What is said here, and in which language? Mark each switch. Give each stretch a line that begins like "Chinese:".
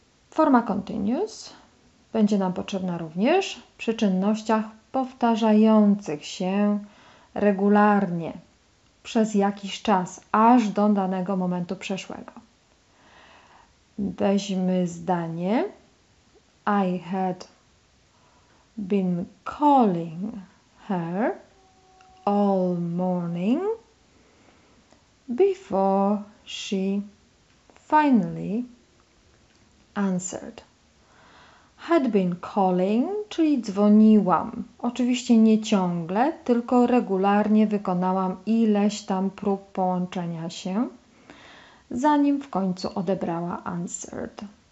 Polish: Forma continuous będzie nam potrzebna również przy czynnościach powtarzających się regularnie przez jakiś czas, aż do danego momentu przeszłego. Weźmy zdanie
English: I had been calling her all morning before she finally answered. Had been calling,
Polish: czyli dzwoniłam. Oczywiście nie ciągle, tylko regularnie wykonałam ileś tam prób połączenia się, zanim w końcu odebrała answered.